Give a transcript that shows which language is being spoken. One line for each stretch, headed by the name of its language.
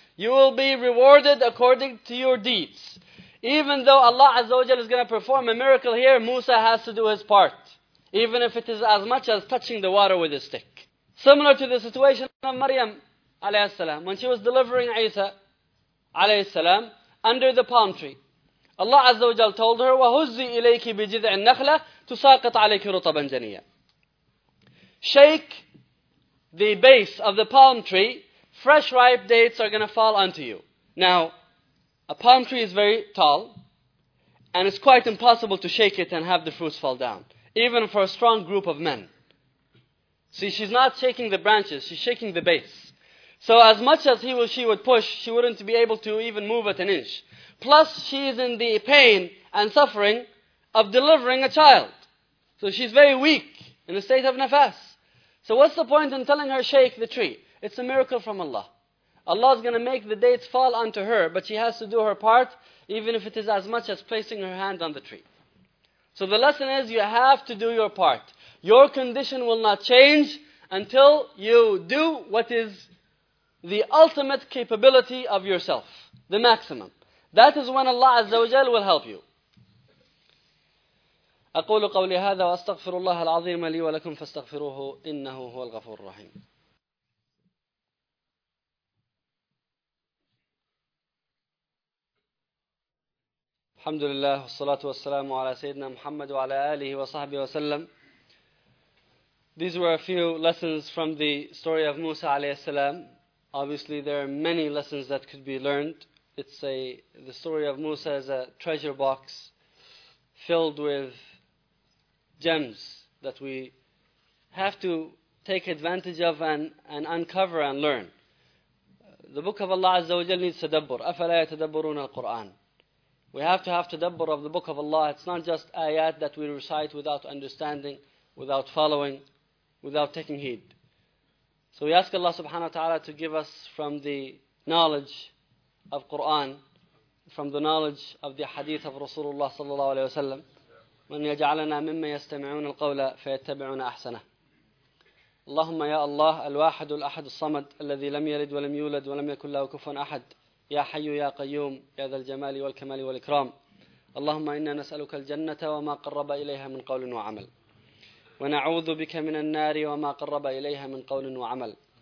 English: You will be rewarded according to your deeds. Even though Allah Azza wa Jal is going to perform a miracle here, Musa has to do his part. Even if it is as much as touching the water with a stick. Similar to the situation of Maryam alayhi salam, when she was delivering Isa alayhi salam under the palm tree. Allah Azza wa Jal told her,
Arabic: وَهُزِّي إِلَيْكِ بِجِذْعِ النَّخْلَةِ تُسَاقِطْ عَلَيْكِ رُطَبًا جَنِيًّا.
English: Shake the base of the palm tree, fresh ripe dates are going to fall onto you. Now, a palm tree is very tall, and it's quite impossible to shake it and have the fruits fall down, even for a strong group of men. See, she's not shaking the branches, she's shaking the base. So as much as he or she would push, she wouldn't be able to even move it an inch. Plus, she is in the pain and suffering of delivering a child. So she's very weak, in a state of nafas. So what's the point in telling her, shake the tree? It's a miracle from Allah. Allah is going to make the dates fall onto her, but she has to do her part, even if it is as much as placing her hand on the tree. So the lesson is, you have to do your part. Your condition will not change until you do what is the ultimate capability of yourself, the maximum. That is when Allah Azza wa Jal will help you.
Arabic: أقول قولي هذا وأستغفر الله العظيم لي ولكم فاستغفروه إنه هو الغفور الرحيم. الحمد لله والصلاة والسلام على سيدنا محمد وعلى آله وصحبه وسلم.
English: These were a few lessons from the story of Musa عليه السلام. Obviously, there are many lessons that could be learned. The story of Musa is a treasure box filled with gems that we have to take advantage of and uncover and learn. The book of Allah Azza wa Jal needs tadabbur.
Arabic: أَفَلَا يَتَدَبَّرُونَ الْقُرْآنَ.
English: We have to have tadabbur of the book of Allah. It's not just ayat that we recite without understanding, without following, without taking heed. So we ask Allah subhanahu wa ta'ala to give us from the knowledge of Qur'an, from the knowledge of the hadith of Rasulullah sallallahu alayhi wa sallam,
Arabic: وَنْ يَجْعَلَنَا مِمَّا يَسْتَمِعُونَ الْقَوْلَ فَيَتَّبِعُونَ أَحْسَنَهُ. اللهم يا الله الواحد الأحد الصمد الذي لم يلد ولم يولد ولم يكن له كفوا أحد. يا حي يا قيوم يا ذا الجمال والكمال والإكرام. اللهم إنا نسألك الجنة وما قرب إليها من قول وعمل. ونعوذ بك من النار وما قرب إليها من قول وعمل.